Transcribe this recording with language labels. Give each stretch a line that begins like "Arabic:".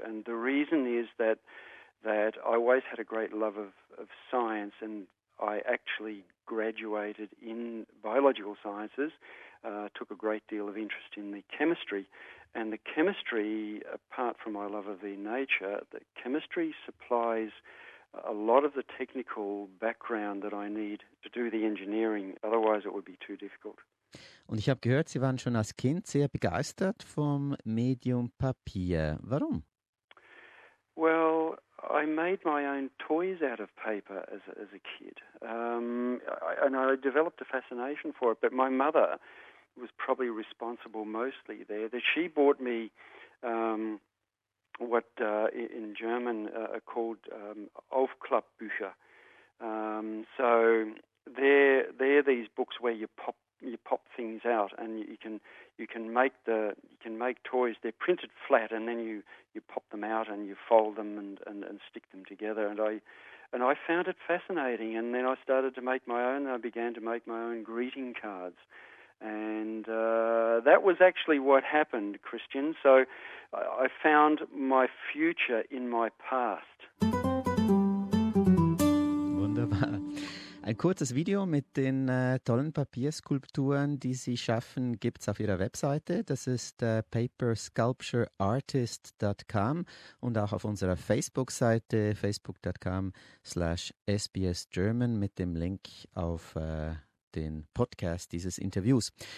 English: And the reason is that I always had a great love of science, and I actually graduated in biological sciences, took a great deal of interest in the chemistry. And the chemistry, apart from my love of the nature, the chemistry supplies a lot of the technical background that I need to do the engineering, otherwise it would be too difficult.
German: Und ich habe gehört, Sie waren schon als Kind sehr begeistert vom Medium Papier. Warum?
English: Well, I made my own toys out of paper as a kid, and I developed a fascination for it. But my mother was probably responsible mostly there. That she bought me what in German are called Aufklappbücher. So they're these books where you pop things out, and you can make toys. They're printed flat, and then you pop them out and you fold them and stick them together. And I found it fascinating, and then I started to make my own. I began to make my own greeting cards, and that was actually what happened, Christian. So I found my future in my past.
German: Wunderbar. Ein kurzes Video mit den tollen Papierskulpturen, die Sie schaffen, gibt es auf Ihrer Webseite. Das ist papersculptureartist.com und auch auf unserer Facebook-Seite facebook.com/sbsgerman mit dem Link auf den Podcast dieses Interviews.